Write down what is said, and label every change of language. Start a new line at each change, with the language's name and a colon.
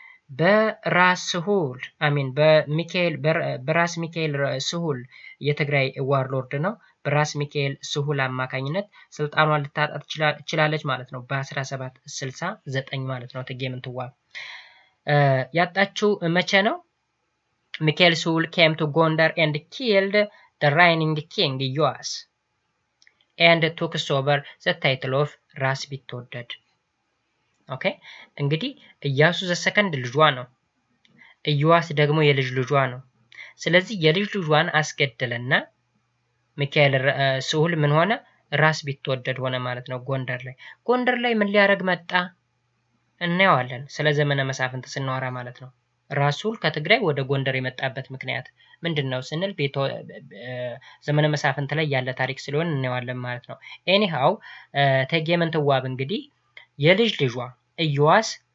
Amharic: በራስሁል አሚን በሚካኤል በራስ ሚካኤል ስሁል የትግራይ ዋርሎርድ ነው። በራስ ሚካኤል ስሁል አማካኝነት ስልጣኗን ልታጣት ይችላለች ማለት ነው። በ1769 ማለት ነው እቴጌ ምንትዋብ ያጣችው መቼ ነው?
English: ሚካኤል ስሁል came to Gondar and killed the reigning king Joas and took over the title of Ras Bitodad.
Amharic: ኦኬ እንግዲህ ኢያሱ ዘሰከንድ ልጇ ነው። ኢዮዋስ ደግሞ የልጅ ልጇ ነው። ስለዚህ የልጅ ልጇን አስገደለና ሚካኤል ስሁል ምን ሆነ? ራስ ቢትወደድ ሆነ ማለት ነው። ጎንደር ላይ ምን ሊያረግ መጣ እናየዋለን። ስለ ዘመነ መሳፍንት ስናወራ ማለት ነው። ራሱል ከትግራይ ወደ ጎንደር የመጣበት ምክንያት ምንድነው ስንል ቤተ ዘመነ መሳፍንት ላይ ያለ ታሪክ ስለሆነ እናየዋለን ማለት ነው። anyhow እቴጌ ምንትዋብ እንግዲህ የልጅ ልጇ ኢዮዋስ